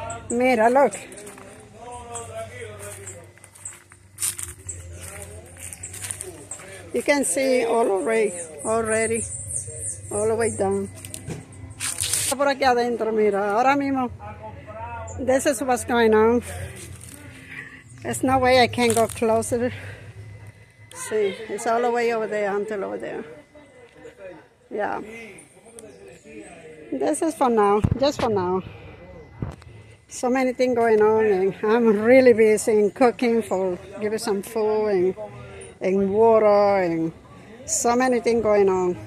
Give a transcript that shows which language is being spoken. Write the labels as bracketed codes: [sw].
[es] Mira, look. [en] You can see all already, all the way down. [es] Está por aquí adentro, mira, ahora mismo. [en] This is what's going on. There's no way I can go closer. See, it's all the way over there until over there. Yeah. This is for now, just for now. So many things going on and I'm really busy in cooking for giving some food and water and so many things going on.